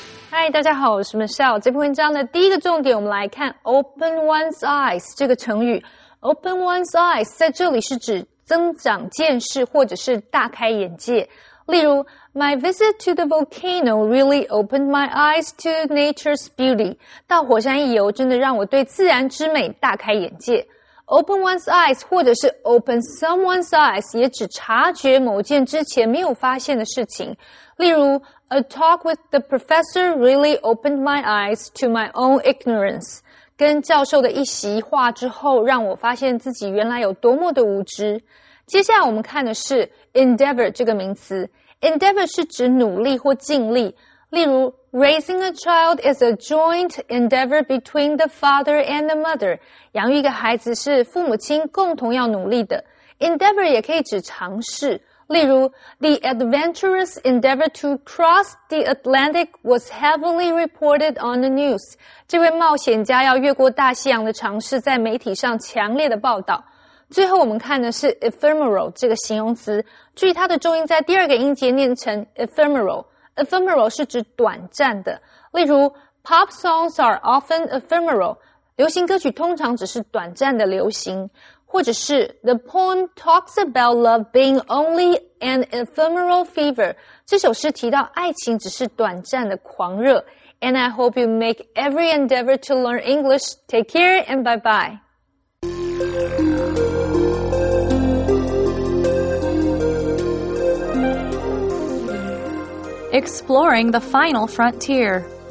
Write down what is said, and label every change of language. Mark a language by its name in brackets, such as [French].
[Chinese] Hi, 大家好，我是 Michelle。这篇文章的第一个重点，我们来看 "open one's eyes" 这个成语。 "open one's eyes" 在这里是指增长见识或者是大开眼界。例如 [English] ,my visit to the volcano really opened my eyes to nature's beauty. [Chinese] 到火山一游真的让我对自然之美大开眼界。 Open one's eyes 或者是 open someone's eyes 也指察觉某件之前没有发现的事情。例如 [English] ,a talk with the professor really opened my eyes to my own ignorance. [Chinese] 跟教授的一席话之后让我发现自己原来有多么的无知。接下来我们看的是 endeavor 这个名词。endeavor 是指努力或尽力。例如 [English] ,raising a child is a joint endeavor between the father and the mother. [Chinese] 养育一个孩子是父母亲共同要努力的。endeavor 也可以指尝试。例如 [English] ,the adventurous endeavor to cross the Atlantic was heavily reported on the news. [Chinese] 这位冒险家要越过大西洋的尝试在媒体上强烈的报道。最后我们看的是 ephemeral 这个形容词，注意它的重音在第二个音节念成 ephemeral。 ephemeral 是指短暂的，例如 [English] pop songs are often ephemeral， [Chinese] 流行歌曲通常只是短暂的流行，或者是 [English] the poem talks about love being only an ephemeral fever， [Chinese] 这首诗提到爱情只是短暂的狂热。 [English] And I hope you make every endeavor to learn English. Take care and bye bye. Exploring the final frontier.